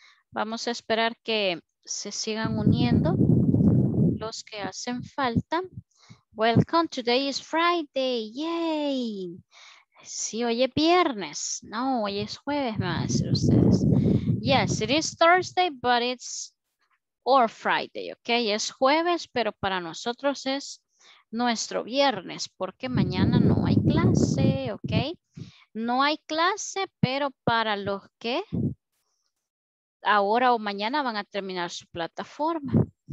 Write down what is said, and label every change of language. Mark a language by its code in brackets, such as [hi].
[es] Vamos a esperar que se sigan uniendo los que hacen falta. [en] Welcome, today is Friday, yay! [es] Sí, hoy es viernes. No, hoy es jueves, me van a decir ustedes. [en] Yes, it is Thursday, but it's or Friday, okay? [es] Es jueves, pero para nosotros es nuestro viernes, porque mañana no hay clase, ¿ok? No hay clase, pero para los que ahora o mañana van a terminar su plataforma.